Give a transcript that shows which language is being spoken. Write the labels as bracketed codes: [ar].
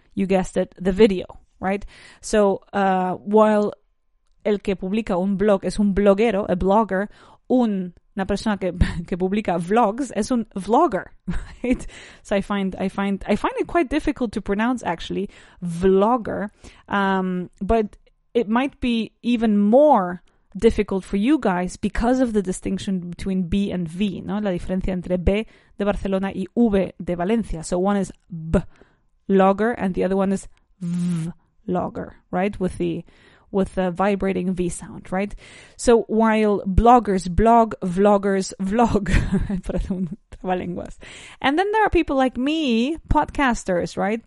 [en] You guessed it, the video, right? So while [es] el que publica un blog es un bloguero, [en] a blogger, [es] una persona que publica vlogs es un vlogger, [en] right? So I find it quite difficult to pronounce, actually, vlogger. But it might be even more difficult for you guys because of the distinction between B and V, no? [es] La diferencia entre B de Barcelona y V de Valencia. [en] So one is blogger and the other one is vlogger, right? With the vibrating V sound, right? So while bloggers blog, vloggers vlog. And then there are people like me, podcasters, right?